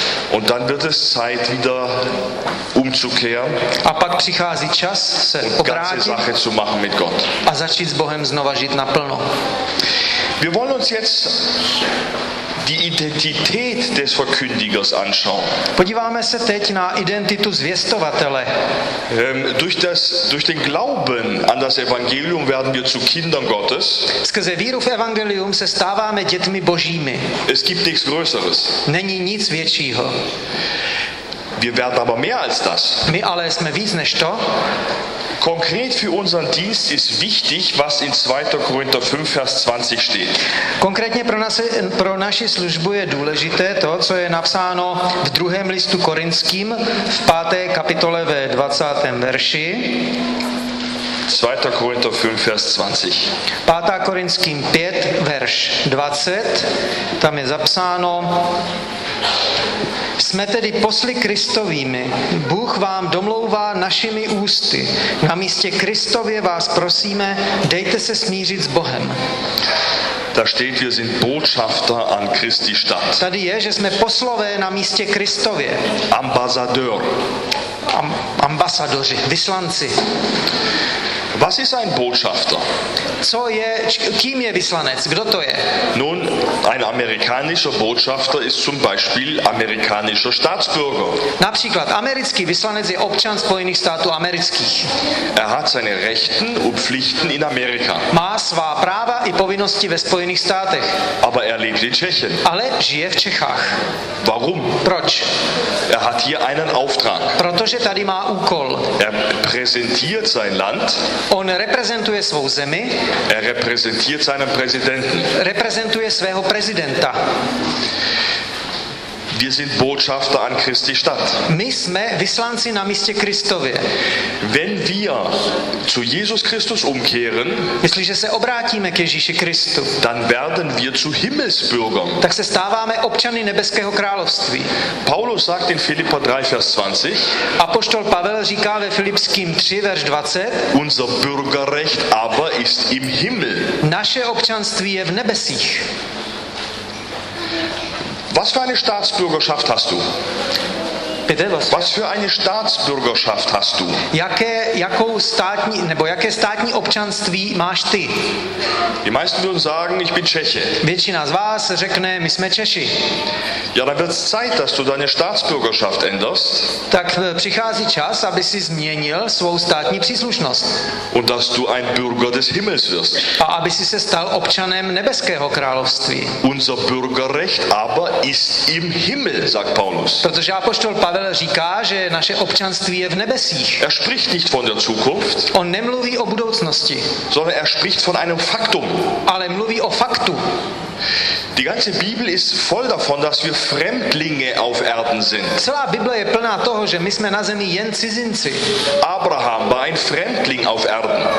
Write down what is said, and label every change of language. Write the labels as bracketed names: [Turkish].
[German] Und dann wird es Zeit wieder umzukehren. [Czech] A pak přichází čas se obrátit. [German] Ganze Sache zu machen mit Gott. [Czech] A začít s Bohem znova žít naplno. [German] Wir wollen uns jetzt die Identität des Verkündigers anschauen. [Czech] Podíváme se teď na identitu zvěstovatele. [German] Durch den Glauben an das Evangelium werden wir zu Kindern Gottes. [Czech] Skrze víru v Evangelium se stáváme dětmi Božími. [German] Es gibt nichts Größeres. [Czech] Není nic většího. [German] Wir werden aber mehr als das. [Czech] My ale jsme víc než to. [German] Konkret für unseren Dienst ist wichtig, was in 2. Korinther 5, Vers 20 steht. [Czech] Konkrétně pro naši službu je důležité to, co je napsáno v 2. listu Korinským v 5. kapitole ve 20. verši. [German] 2. Korinther 5, Vers 20. [Czech] 5. Korinským 5, verš 20. Tam je zapsáno... Jsme tedy posly Kristovými. Bůh vám domlouvá našimi ústy. Na místě Kristově vás prosíme, dejte se smířit s Bohem. [German] Da steht, wir sind Botschafter an Christi Stadt. [Czech] Tady je, že jsme poslové na místě Kristově. [German] Ambasadör. [Czech] Ambasadoři, vyslanci. [German] Was ist ein Botschafter? [Czech] Co je, kým je vyslanec? Kdo to je? [German] Nun, ein amerikanischer Botschafter ist zum Beispiel amerikanischer Staatsbürger. [Czech] Například americký vyslanec je občan Spojených států amerických. [German] Er hat seine Rechten und Pflichten in Amerika. [Czech] Má svá práva i povinnosti ve Spojených státech. [German] Aber er lebt in Tschechien. [Czech] Ale žije v Čechách. [German] Warum? [Czech] Proč? [German] Er hat hier einen Auftrag. [Czech] Protože tady má úkol. [German] Er präsentiert sein Land. [Czech] On reprezentuje svou zemi. [German] Er repräsentiert seinen Präsidenten. [Czech] Reprezentuje svého prezidenta. [German] Wir sind Botschafter an Christi Stadt. [Czech] My jsme vyslanci na místě Kristově. [German] Wenn wir zu Jesus Christus umkehren, [Czech] jestliže se obrátíme k Ježíši Kristu, [German] dann werden wir zu Himmelsbürgern. [Czech] Tak se stáváme občany nebeského království. [German] Paulus sagt in Philipper 3, Vers 20, [Czech] apoštol Pavel říká ve Filipským 3, Vers 20, [German] unser Bürgerrecht aber ist im Himmel. [Czech] Naše občanství je v nebesích. [German] Was für eine Staatsbürgerschaft hast du? Bitte, was für eine Staatsbürgerschaft hast du? [Czech] Jaké státní občanství máš ty? [German] Die meisten würden sagen, ich bin Tscheche. [Czech] Většina z vás řekne, my jsme Češi. [German] Ja, dann wird's Zeit, dass du deine Staatsbürgerschaft änderst. [Czech] Tak přichází čas, aby si změnil svou státní příslušnost. [German] Und dass du ein Bürger des Himmels wirst. [Czech] A aby si se stal občanem nebeského království. [German] Unser Bürgerrecht aber ist im Himmel, sagt Paulus. [Czech] Protože apoštol Pavel říká, že naše občanství je v nebesích. [German] Er spricht nicht von der Zukunft. [Czech] On nemluví o budoucnosti. [German] Sondern er spricht von einem Faktum. [Czech] Ale mluví o faktu. [German] Die ganze Bibel ist voll davon, dass wir Fremdlinge auf Erden sind. [Czech] Celá Bible je plná toho, že my jsme na zemi jen cizinci. [German] Abraham war ein Fremdling auf Erden.